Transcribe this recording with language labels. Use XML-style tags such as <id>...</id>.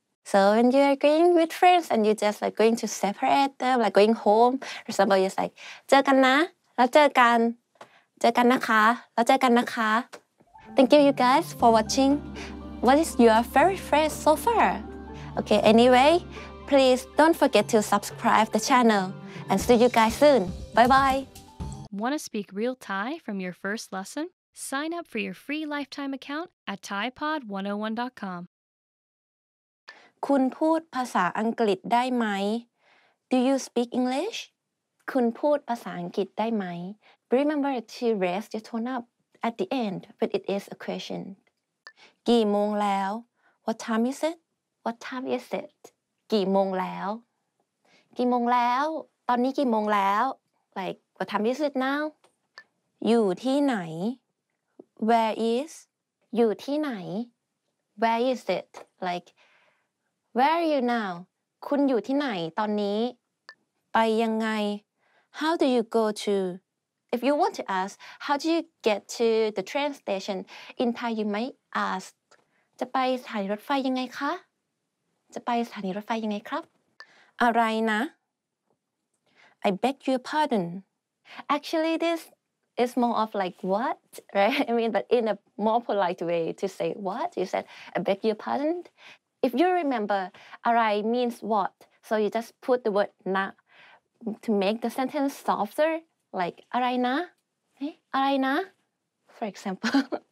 <en>So when you are going with friends and you just like going to separate them like going home for example you're like</en> <th>เจอกันนะแล้วเจอกันเจอกันนะคะแล้วเจอกันนะคะ</th> <en>Thank you guys for watching What is your favorite phrase so far? Okay anyway Please don't forget to subscribe the channel and see you guys soon Bye bye Want to speak real Thai from your first lesson? Sign up for your free lifetime account at ThaiPod101.com.</en> <th>คุณพูดภาษาอังกฤษได้ไหม?</th> <en>Do you speak English?</en> <th>คุณพูดภาษาอังกฤษได้ไหม?</th> <en>Remember to raise your tone up at the end when it is a question.</en> <th>กี่โมงแล้ว?</th> <en>What time is it? What time is it?</en> <th>กี่โมงแล้ว? กี่โมงแล้ว? ตอนนี้กี่โมงแล้ว?</th> <en>Like, what time is it now?</en> <th>อยู่ที่ไหน?</th> <en>Where is? อยู่ที่ไหน? Where is it? Like,Where are you now?</en> <th>คุณอยู่ที่ไหนตอนนี้ไปยังไง</th> <en>How do you go to? If you want to ask, how do you get to the train station? In Thai, you might ask,</en> <th>จะไปสถานีรถไฟยังไงคะจะไปสถานีรถไฟยังไงครับอะไรนะ</th> <en>I beg your pardon. Actually, this is more of like what, right? I mean, but in a more polite way to say what, you said, I beg your pardon. If you remember, arai means what, so you just put the word na to make the sentence softer, like arai na, arai na, for example.</en>